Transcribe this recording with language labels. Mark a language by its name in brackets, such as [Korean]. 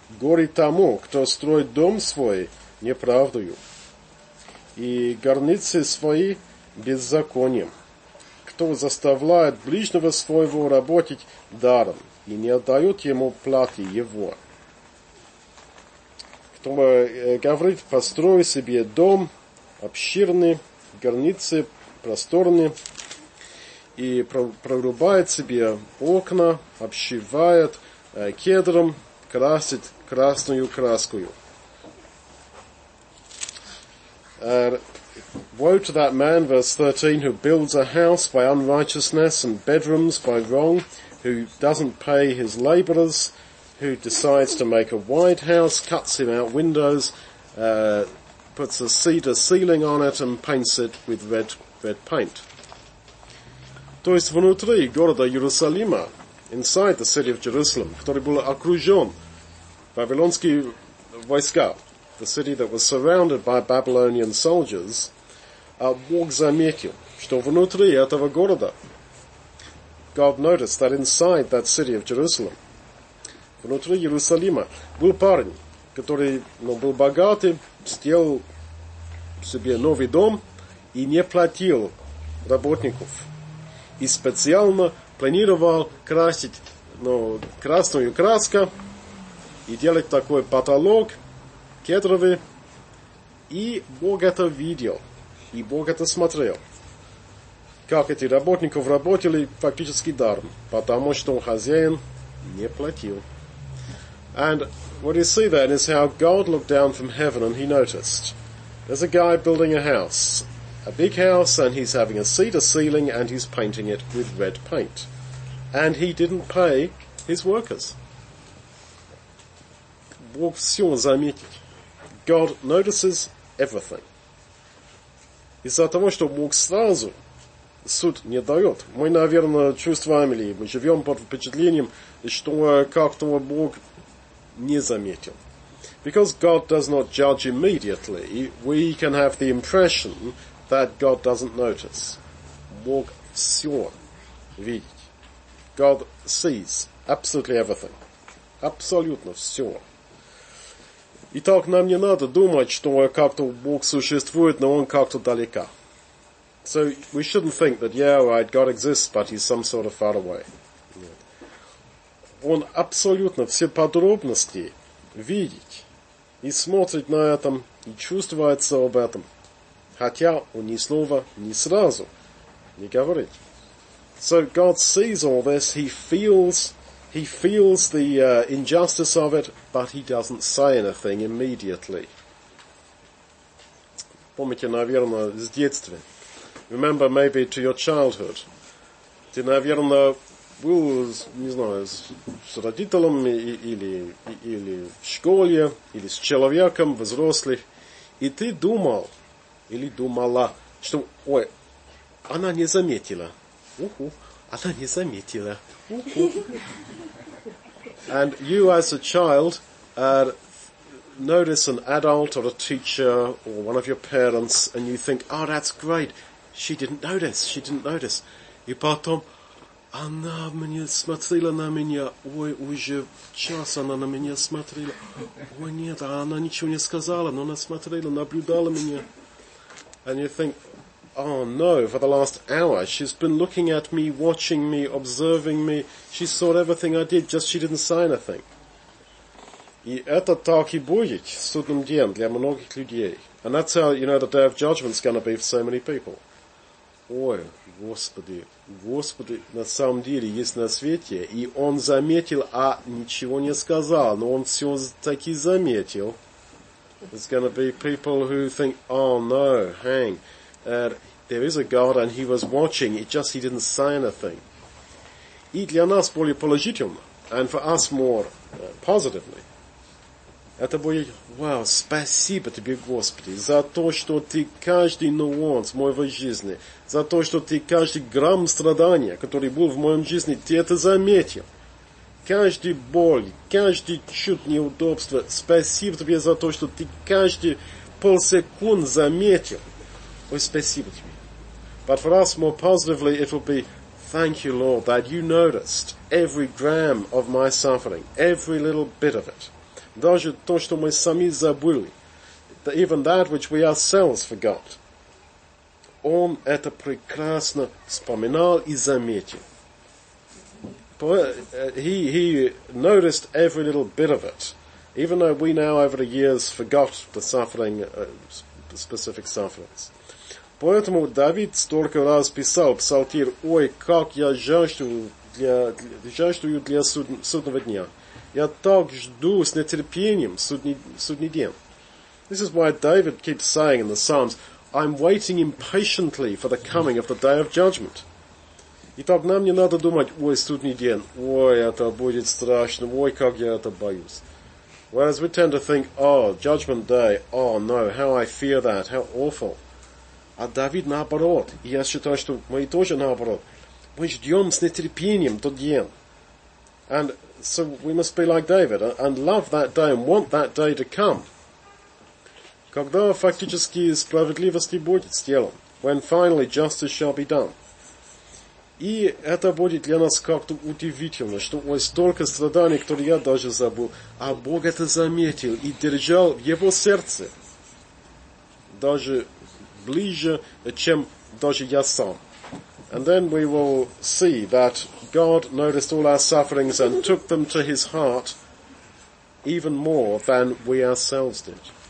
[Russian] Горе тому, кто строит дом свой неправдою, и горницы свои беззаконием. кто заставляет ближнего своего работать даром и не отдает ему платы его. Кто говорит, построй себе дом обширный, границы просторные, и прорубает себе окна, обшивает кедром, красит красную краскую. [English] Woe to that man, verse 13, who builds a house by unrighteousness and bedrooms by wrong, who doesn't pay his laborers, who decides to make a wide house, cuts him out windows, puts a cedar ceiling on it and paints it with red paint. [Russian] То есть внутри города Иерусалима, [English] inside the city of Jerusalem, [Russian] который был окружен вавилонские войска, [English] the city that was surrounded by Babylonian soldiers, [Russian] Бог заметил, что внутри этого города, [English] God noticed that inside that city of Jerusalem, [Russian] внутри Иерусалима, был парень, который, ну, был богатый, сделал себе новый дом и не платил работников. И специально планировал красить, ну, красную краску и делать такой потолок кедровый. И Бог это видел. И Бог это смотрел. Как эти работников работали фактически даром. Потому что хозяин не платил. [English] And what you see then is how God looked down from heaven and he noticed. There's a guy building a house. A big house, and he's having a cedar ceiling, and he's painting it with red paint. And he didn't pay his workers. [Russian] Бог все заметит. [English] God notices everything. [Russian] Из-за того, что Бог сразу суд не дает. Мы, наверное, чувствуем, или мы живем под впечатлением, что как-то Бог не заметил. [English] Because God does not judge immediately, we can have the impression that God doesn't notice. [Russian] Бог все видит. [English] God sees absolutely everything. [Russian] Абсолютно все. Итак, нам не надо думать, что как-то Бог существует, но он как-то далека. [English] So we shouldn't think that, yeah, right, God exists, but he's some sort of far away. [Russian] Нет. Он абсолютно все подробности видит и смотрит на этом, и чувствуется об этом. Хотя он ни слова, ни сразу не говорит. [English] So God sees all this, he feels the injustice of it, but he doesn't say anything immediately. [Russian] Помните, наверное, с детства. [English] Remember maybe to your childhood. [Russian] Ты, наверное, был, не знаю, с родителями или в школе, или с человеком взрослых, и ты думал, или думала, что, ой, она не заметила. Уху, она не заметила. Уху. [English] And you as a child, notice an adult or a teacher or one of your parents, and you think, oh, that's great. She didn't notice. [Russian] И потом, она мне смотрела на меня. Ой, уже час она на меня смотрела. Ой, нет, она ничего не сказала, но она смотрела, наблюдала меня. [English] And you think, oh no, for the last hour, she's been looking at me, watching me, observing me. She saw everything I did, just she didn't say anything. [Russian] И это так и будет в судном день для многих людей. [English] And that's how, you know, the day of judgment is going to be for so many people. [Russian] Ой, Господи, Господи, на самом деле есть на свете. И он заметил, а ничего не сказал, но он все таки заметил. [English] There's going to be people who think, oh no, hang. There is a God and he was watching, it just he didn't say anything. [Russian] И для нас более положительно, [English] and for us more positively, [Russian] это будет, wow, спасибо тебе, Господи, за то, что ты каждый нюанс моего жизни, за то, что ты каждый грамм страдания, который был в моем жизни, ты это заметил. Каждый боль, каждый чуть неудобство. Спасибо тебе за то, что ты каждый полсекунд заметил. Ой, спасибо тебе. [English] But for us, more positively, it will be, thank you, Lord, that you noticed every gram of my suffering, every little bit of it. [Russian] Даже то, что мы сами забыли. [English] Even that which we ourselves forgot. [Russian] он это прекрасно вспоминал и заметил. [English] He noticed every little bit of it. Even though we now over the years forgot the suffering, specific sufferings. [Russian] Поэтому Давид столько раз писал, псалтирь, ой, как я жаждую для судного дня. Я так жду с нетерпением судный день. [English] This is why David keeps saying in the Psalms, I'm waiting impatiently for the coming of the day of judgment. [Russian] Итак, нам не надо думать, ой, судный день, ой, это будет страшно, ой, как я это боюсь. [English] Whereas we tend to think, oh, judgment day, oh no, how I fear that, how awful. [Russian] А Давид наоборот, и я считаю, что мы тоже наоборот. Мы ждем с нетерпением тот день. [English] And so we must be like David, and love that day, and want that day to come. [Russian] Когда фактически справедливость будет сделана, [English] when finally justice shall be done. [Russian] И это будет для нас как-то удивительно, что ой, столько страданий, которые я даже забыл, а Бог это заметил и держал в его сердце даже ближе, чем даже я сам. [English] And then we will see that God noticed all our sufferings and took them to his heart even more than we ourselves did.